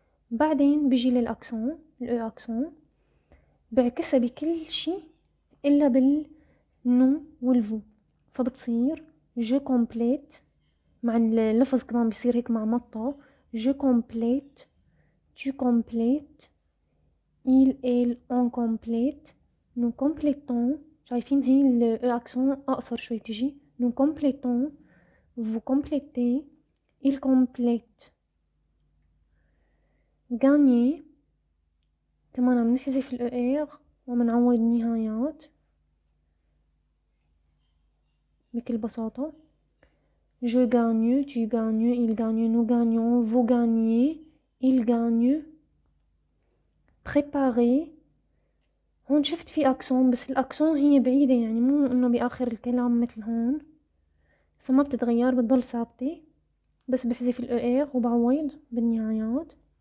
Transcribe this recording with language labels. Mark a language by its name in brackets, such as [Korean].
[Arabic] بعدين بيجي للاكسون، الاو اكسون بعكسها بكل شي الا بالنو والفو، فبتصير جو كومبليت، مع اللفظ كمان بيصير هيك مع مطة، جو كومبليت تو كومبليت [French] il elle on complete nous complétons، [Arabic] شايفين هي الـ E accent أقصر شوي تجي، [French] nous complétons vous complétez il complète. gagner [Arabic] كمان عم نحذف الـ ER ومنعوض نهايات بكل بساطة، [French] je gagne tu gagne il gagne nous gagnons vous gagnez il gagne. [Arabic] préparer هون شفت في اكسون، بس الاكسون هي بعيدة، يعني مو انه باخر الكلام مثل هون، فما بتتغير بتضل ثابتة، بس بحذف الـ ER وبعوض بالنهايات.